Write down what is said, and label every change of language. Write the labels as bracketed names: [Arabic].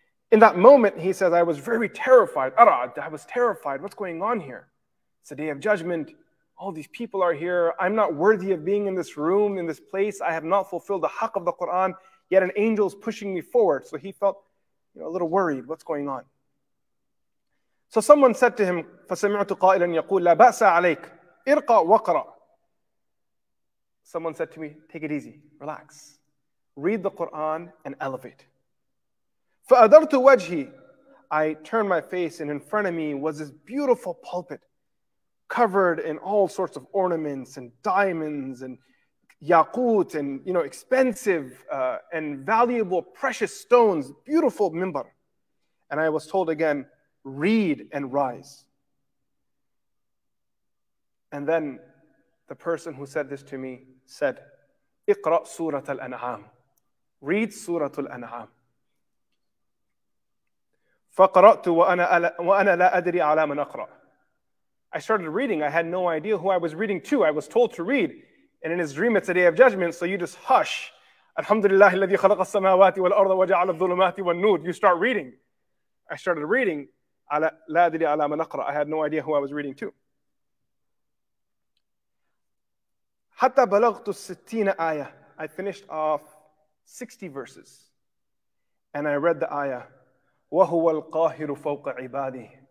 [English] In that moment, he says, I was very terrified. Ara'ad, I was terrified. What's going on here? It's a day of judgment. All these people are here. I'm not worthy of being in this room, in this place. I have not fulfilled the haqq of the Qur'an, yet an angel is pushing me forward. So he felt a little worried. What's going on? So someone said to him, [Arabic] فَسَمِعْتُ قَائِلًا يَقُولُ لَا بَأْسَ عَلَيْكَ إِرْقَى وَقْرَى. [English] Someone said to me, take it easy, relax. Read the Qur'an and elevate. [Arabic] فَأَدَرْتُ وَجْهِ. [English] I turned my face and in front of me was this beautiful pulpit covered in all sorts of ornaments and diamonds and yaqut and expensive and valuable precious stones, beautiful minbar. And I was told again, read and rise. And then the person who said this to me said, [Arabic] اقرأ سورة الأنعام. [English] Read سورة الأنعام. [Arabic] فقرأت وأنا لا أدري على من أقرأ. [English] I started reading. I had no idea who I was reading to. I was told to read. And in his dream, it's a day of judgment. So you just hush. [Arabic] الحمد لله الذي خلق السماوات والأرض وجعل الظلمات والنور. [English] You start reading. I started reading. [Arabic] لا أدري على من أقرأ. [English] I had no idea who I was reading to. [Arabic] حتى بلغت الستين آية. [English] I finished off 60 verses. And I read the ayah. [Arabic] وَهُوَ الْقَاهِرُ فَوْقَ عِبَادِهِ.